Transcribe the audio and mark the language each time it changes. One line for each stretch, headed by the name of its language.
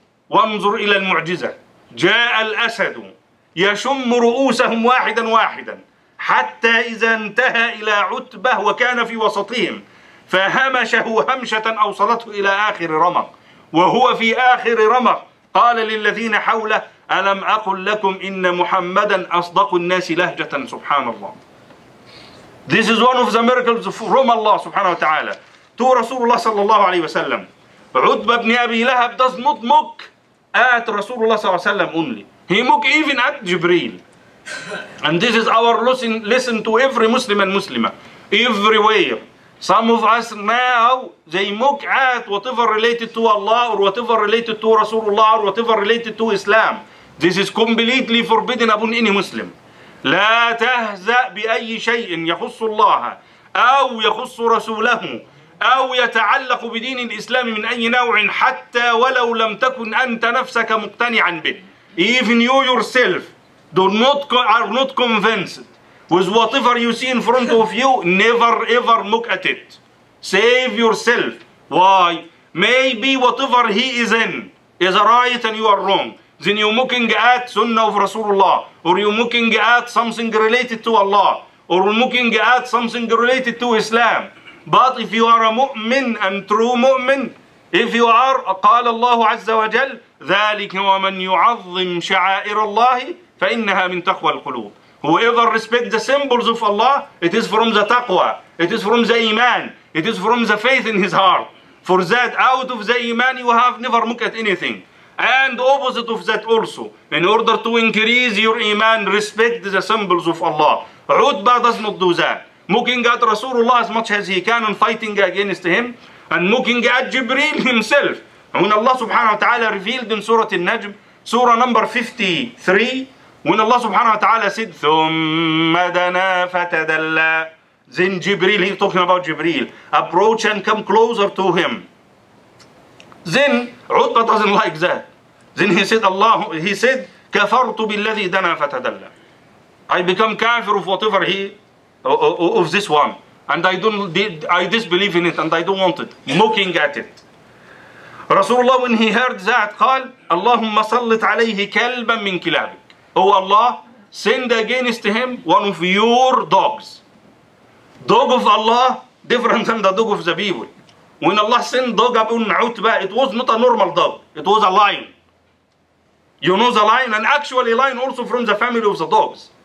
Arabic: وانظر إلى المعجزة، جاء الأسد يشم رؤوسهم واحدا واحدا حتى إذا انتهى إلى عتبة وكان في وسطهم، فهمشه همشة أوصلته إلى آخر رمق، وهو في آخر رمق قال للذين حوله ألم أقل لكم إن محمدا أصدق الناس لهجة. سبحان الله،
English: this is one of the miracles from Allah
Arabic: سبحانه وتعالى
English: to
Arabic: رسول الله صلى الله عليه وسلم. عتبة بن أبي لهب
English: does not mock at
Arabic: رسول الله صلى الله عليه وسلم
English: only. He mock even at
Arabic: جبريل.
English: And this is our lesson to every Muslim and Muslima everywhere. Some of us now, they mock at whatever related to Allah or whatever related to Rasulullah or whatever related to Islam. This is completely forbidden upon any Muslim.
Arabic: لا تهزأ بأي شيء يخص الله أو يخص رسوله أو يتعلق بدين الإسلام من أي نوع، حتى ولو لم تكن أنت نفسك مقتنعا به.
English: Even you yourself are not convinced with whatever you see in front of you, never ever look at it. Save yourself. Why? Maybe whatever he is in is right and you are wrong. Then you're looking at sunnah of Rasulullah, or you're looking at something related to Allah, or you're looking at something related to Islam. But if you are a mu'min and true mu'min, if you are,
Arabic: قال الله عز وجل ذلك ومن يعظم شعائر الله فإنها من تقوى القلوب.
English: Whoever respects the symbols of Allah, it is from the taqwa, it is from the iman, it is from the faith in his heart. For that, out of the iman, you have never looked at anything. And opposite of that also, in order to increase your iman, respect the symbols of Allah. عتبة does not do that. Mocking at Rasulullah as much as he can and fighting against him, and mocking at Jibreel himself. When Allah subhanahu wa ta'ala revealed in Surah Al-Najm, Surah number 53, when Allah subhanahu wa ta'ala said
Arabic: ثُمَّ دَنَا فَتَدَلَّى،
English: then Jibreel, he's talking about Jibreel, approach and come closer to him. Then عتبة doesn't like that. Then he said Allah, he said
Arabic: كَفَرْتُ بِالَّذِي دَنَا فَتَدَلَّى،
English: I become kafir of whatever he of this one, and I disbelieve in it and I don't want it. Mocking at it. Rasulullah, when he heard that,
Arabic: قال اللهم سلط عليه كلبا من كلابك.
English: Oh Allah, send against him one of your dogs. Dog of Allah, different than the dog of the people. When Allah sent dog upon Utba, it was not a normal dog. It was a lion. You know the lion, and actually lion also from the family of the dogs.